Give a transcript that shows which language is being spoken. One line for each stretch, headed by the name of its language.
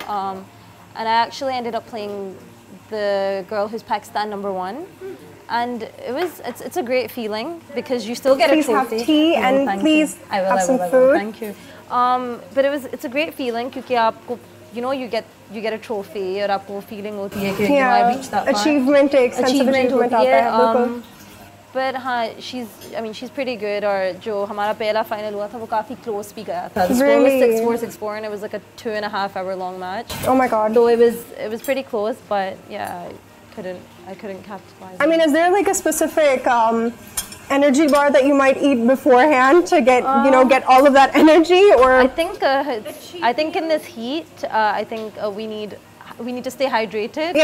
English: And I actually ended up playing the girl who's Pakistan number one. And it's a great feeling because you still get please a trophy. Please have tea and please have some food. Thank you. But it's a great feeling because you get a trophy and you feel like I reached that achievement. Achievement. Achievement. Yeah.
Hindi: but हाँ
English: she's I mean she's pretty good
Hindi: और जो हमारा पहला final हुआ था वो काफी close भी गया था.
English: Really? The score was 6-4 and it was like a 2.5 hour long match. Oh my god. So it was pretty close, but yeah, I couldn't capitalize. I mean, is there like a specific energy bar that you might eat beforehand to get you know, get all of that energy? Or I think in this heat we need to stay hydrated.